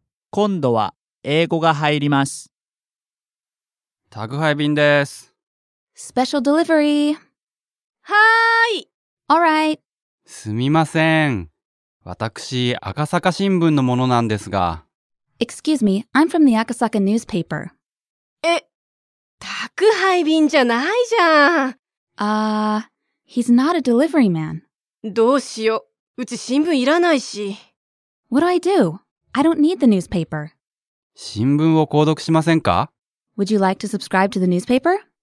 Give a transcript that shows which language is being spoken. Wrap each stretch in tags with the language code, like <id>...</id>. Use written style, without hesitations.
<ja>今度は英語が入ります。宅配便です。</ja> <en>Special delivery.</en> <ja>はーい。</ja> <en>All right.</en> <ja>すみません。私、赤坂新聞のものなんですが。</ja> <en>Excuse me, I'm from the Akasaka newspaper.</en> <ja>え、宅配便じゃないじゃん。</ja> <en>He's not a delivery man.</en> <ja>どうしよう、うち新聞いらないし。</ja> <en>What do I do? I don't need the newspaper.</en> <ja>新聞を購読しませんか？</ja> <en>Would you like to subscribe to the newspaper?</en>